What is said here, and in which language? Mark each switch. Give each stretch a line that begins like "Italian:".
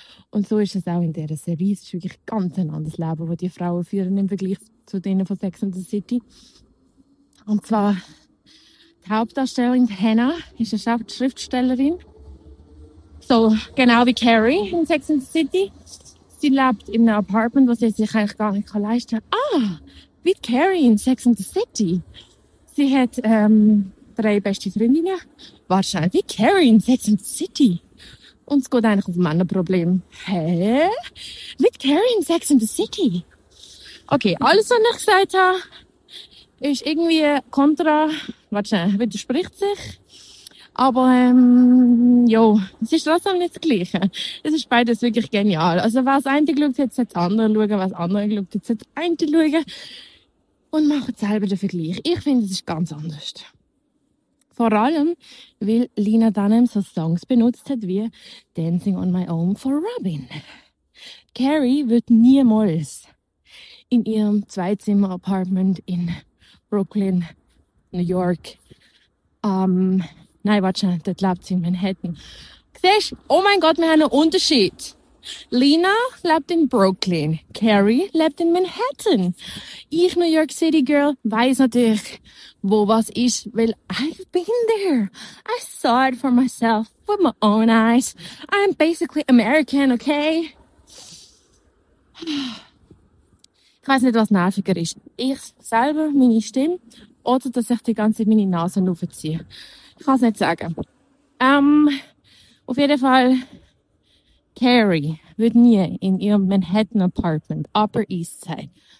German: Und so ist es auch in dieser Serie. Es ist wirklich ganz ein anderes Leben, das die Frauen führen im Vergleich zu denen von Sex and the City. Und zwar die Hauptdarstellerin Hannah ist eine Schriftstellerin. So genau wie Carrie in Sex and the City. Sie lebt in einem Apartment, das sie sich eigentlich gar nicht leisten kann. Ah, wie Carrie in Sex and the City. Sie hat drei beste Freundinnen. Wahrscheinlich wie Carrie in Sex and the City. Und es geht eigentlich auf ein Männerproblem. Hä? Mit Carrie in Sex and the City? Okay, alles, was ich gesagt habe, ist irgendwie kontra, widerspricht sich. Aber, jo, es ist trotzdem nicht das Gleiche. Es ist beides wirklich genial. Also, wer das eine schaut, hat das andere schauen. Wer das andere schaut, hat das eine schauen. Und macht selber den Vergleich. Ich finde, es ist ganz anders. Vor allem, weil Lena Dunham so Songs benutzt hat wie Dancing on my own for Robin. Carrie wird niemals in ihrem Zwei-Zimmer-Apartment in Brooklyn, New York, dort lebt sie in Manhattan. Siehst du? Oh mein Gott, wir haben einen Unterschied. Lena lebt in Brooklyn, Carrie lebt in Manhattan. Ich, New York City Girl, weiß natürlich, wo was ist, weil
English: I've been there. I saw it for myself, with my own eyes. I'm basically American, okay?
German: Ich weiß nicht, was nerviger ist. Ich selber, meine Stimme, oder dass ich die ganze Zeit meine Nase raufziehe. Ich kann es nicht sagen. Auf jeden Fall, Carrie wird nie in ihrem Manhattan-Apartment, Upper East Side.